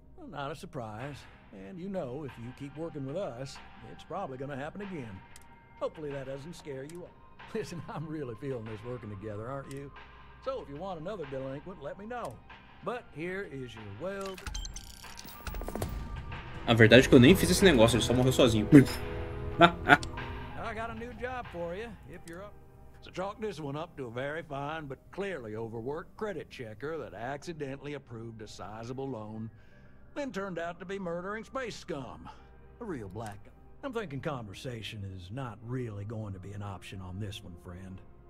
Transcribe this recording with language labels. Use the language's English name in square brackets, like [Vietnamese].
[English] Not a surprise, and you know if you keep working with us, it's probably gonna happen again. Hopefully that doesn't scare you off. Listen, I'm really feeling this working together, aren't you? So if you want another delinquent, let me know. But here is your well. [Portuguese] A verdade é que eu nem fiz esse negócio, ele só morreu sozinho. [English] I got a new job for you, if you're up. So chalk this one up to a very fine but clearly overworked credit checker that accidentally approved a sizable loan. Then turned out to be murdering space scum. A real black. I'm thinking conversation is not really going to be an option on this one, friend.